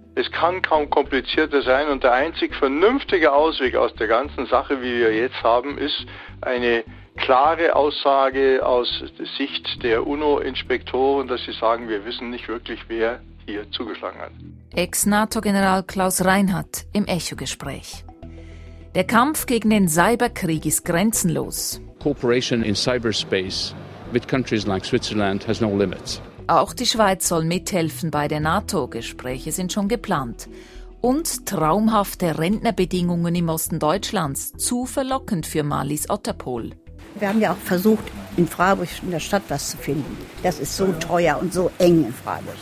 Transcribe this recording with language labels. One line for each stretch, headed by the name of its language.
German: Es kann kaum komplizierter sein und der einzig vernünftige Ausweg aus der ganzen Sache, wie wir jetzt haben, ist eine klare Aussage aus Sicht der UNO-Inspektoren, dass sie sagen, wir wissen nicht wirklich, wer hier zugeschlagen hat. Ex-NATO-General Klaus Reinhardt im Echo-Gespräch. Der Kampf gegen den Cyberkrieg ist grenzenlos.
English: Cooperation in cyberspace with countries like Switzerland has no limits.
German: Auch die Schweiz soll mithelfen bei der NATO. Gespräche sind schon geplant. Und traumhafte Rentnerbedingungen im Osten Deutschlands. Zu verlockend für Marlies Otterpohl. Wir haben ja auch versucht, in Freiburg in der Stadt was zu finden. Das ist so teuer und so eng in Freiburg.